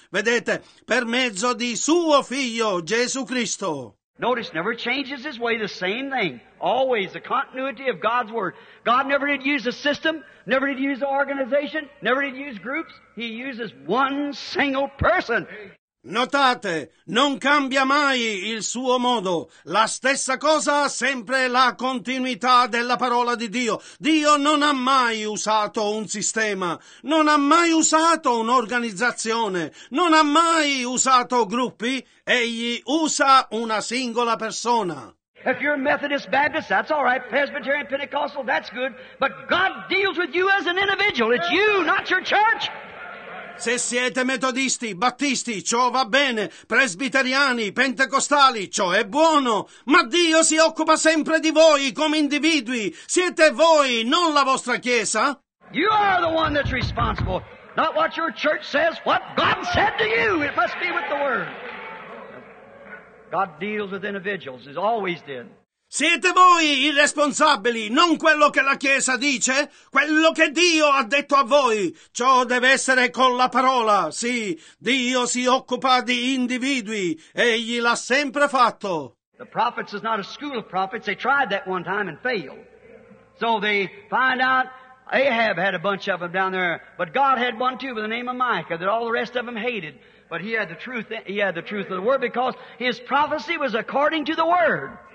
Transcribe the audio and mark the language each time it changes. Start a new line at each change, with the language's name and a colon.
Italian: Vedete, per mezzo di suo figlio Gesù Cristo.
English: Notice, never changes his way, the same thing. Always the continuity of God's Word. God never did use a system, never did use an organization, never did use groups. He uses one single person.
Italian: Notate, non cambia mai il suo modo. La stessa cosa, sempre la continuità della parola di Dio. Dio non ha mai usato un sistema, non ha mai usato un'organizzazione, non ha mai usato gruppi. Egli usa una singola persona.
English: If you're Methodist, Baptist, that's all right. Presbyterian, Pentecostal, that's good. But God deals with you as an individual. It's you, not your church.
Italian: Se siete metodisti, battisti, ciò va bene, presbiteriani, pentecostali, ciò è buono, ma Dio si occupa sempre di voi come individui, siete voi, non la vostra chiesa.
English: You are the one that's responsible, not what your church says, what God said to you, it must be with the word. God deals with individuals, he's always did.
Italian: Siete voi i responsabili, non quello che la Chiesa dice, quello che Dio ha detto a voi. Ciò deve essere con la parola, sì, Dio si occupa di individui, egli l'ha sempre fatto.
English: The prophets is not a school of prophets, they tried that one time and failed. So they find out, Ahab had a bunch of them down there, but God had one too by the name of Micah that all the rest of them hated. But he had the truth of the word because his prophecy was according to the word.